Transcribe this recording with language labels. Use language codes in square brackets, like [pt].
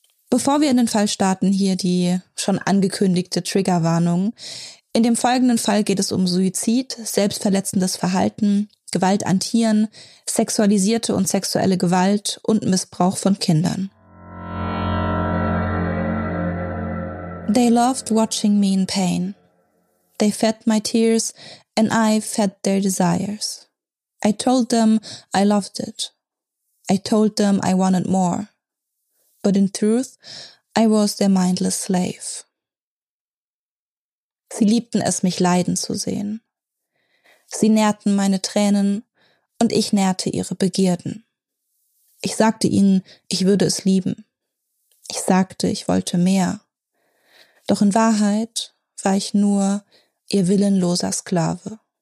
[de] Bevor wir in den Fall starten, hier die schon angekündigte Triggerwarnung. In dem folgenden Fall geht es um Suizid, selbstverletzendes Verhalten, Gewalt an Tieren, sexualisierte und sexuelle Gewalt und Missbrauch von Kindern. [en] They loved watching me in pain. They fed my tears and I fed their desires. I told them I loved it. I told them I wanted more. But in truth, I was their mindless slave. [de] Sie liebten es, mich leiden zu sehen. Sie nährten meine Tränen und ich nährte ihre Begierden. Ich sagte ihnen, ich würde es lieben. Ich sagte, ich wollte mehr. Doch in Wahrheit war ich nur ihr willenloser Sklave.